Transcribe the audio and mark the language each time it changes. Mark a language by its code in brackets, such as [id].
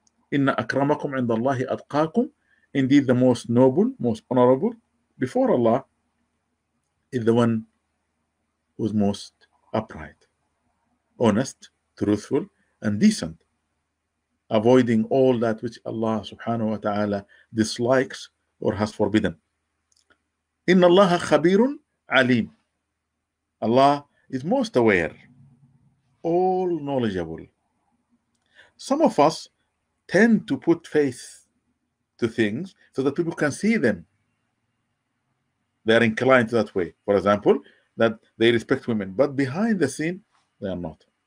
[ar] إِنَّ أَكْرَمَكُمْ عِنْدَ اللَّهِ أَتْقَاكُمْ [en] Indeed, the most noble, most honorable before Allah is the one who is most upright, honest, truthful, and decent, avoiding all that which Allah subhanahu wa ta'ala dislikes or has forbidden. [ar] إِنَّ اللَّهَ خَبِيرٌ Alim. [en] Allah is most aware, all knowledgeable. Some of us tend to put faith to things so that people can see them. They are inclined that way. For example, that they respect women, but behind the scene, they are not.